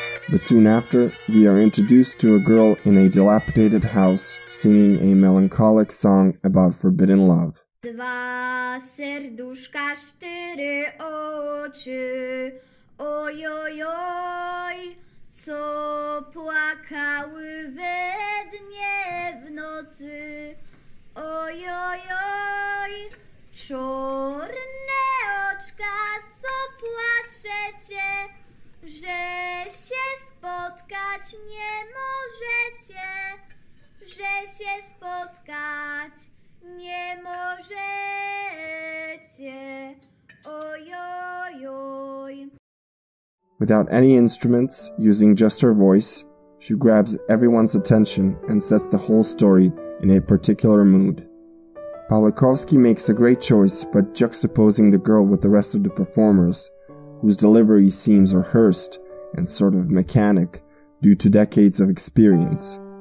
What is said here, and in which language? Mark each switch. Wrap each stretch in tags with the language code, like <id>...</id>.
<en>But soon after, we are introduced to a girl in a dilapidated house singing a melancholic song about forbidden love.</en> <pl>Dwa serduszka, cztery oczy, oj, oj, oj, co płakały we dnie w nocy, oj, oj, oj, czorne oczka, co płaczecie, że się spotkać nie możecie, że się spotkać nie możecie. Oj, oj, oj.</pl> <en>Without any instruments, using just her voice, she grabs everyone's attention and sets the whole story in a particular mood. Pawlikowski makes a great choice by juxtaposing the girl with the rest of the performers, whose delivery seems rehearsed and sort of mechanic due to decades of experience.</en>